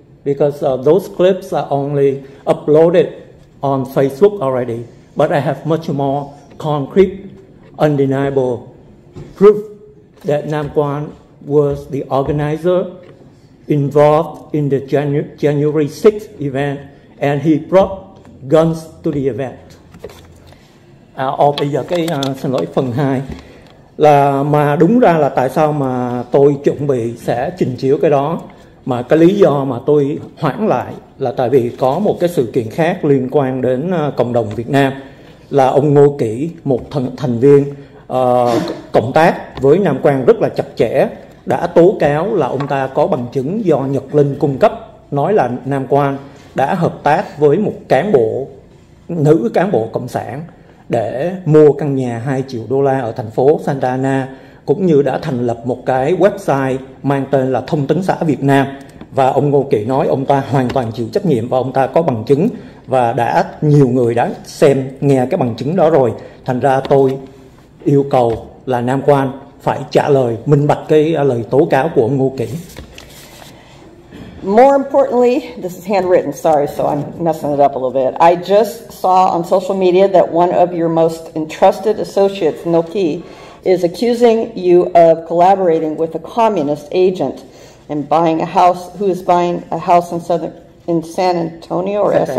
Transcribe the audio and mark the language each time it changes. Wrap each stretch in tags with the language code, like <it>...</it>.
<en>Because those clips are only uploaded on Facebook already, but I have much more concrete, undeniable proof that Nam Quan was the organizer involved in the January 6th event, and he brought guns to the event.</en> <vi>Bây giờ cái xin lỗi phần 2 là mà đúng ra là tại sao mà tôi chuẩn bị sẽ trình chiếu cái đó. Mà cái lý do mà tôi hoãn lại là tại vì có một cái sự kiện khác liên quan đến cộng đồng Việt Nam, là ông Ngô Kỷ, một thành viên cộng tác với Nam Quang rất là chặt chẽ, đã tố cáo là ông ta có bằng chứng do Nhật Linh cung cấp, nói là Nam Quang đã hợp tác với một cán bộ, nữ cán bộ cộng sản, để mua căn nhà 2 triệu đô la ở thành phố Santa Ana, cũng như đã thành lập một cái website mang tên là Thông tấn xã Việt Nam. Và ông Ngô Kỷ nói ông ta hoàn toàn chịu trách nhiệm và ông ta có bằng chứng và đã nhiều người đã xem, nghe cái bằng chứng đó rồi. Thành ra tôi yêu cầu là Nam Quan phải trả lời minh bạch cái lời tố cáo của ông Ngô Kỷ.</vi> <en>More importantly, this is handwritten, sorry, so I'm messing it up a little bit. I just saw on social media that one of your most entrusted associates, Ngô Kỷ, is accusing you of collaborating with a communist agent and buying a house, who is buying a house in southern, in San Antonio or</en>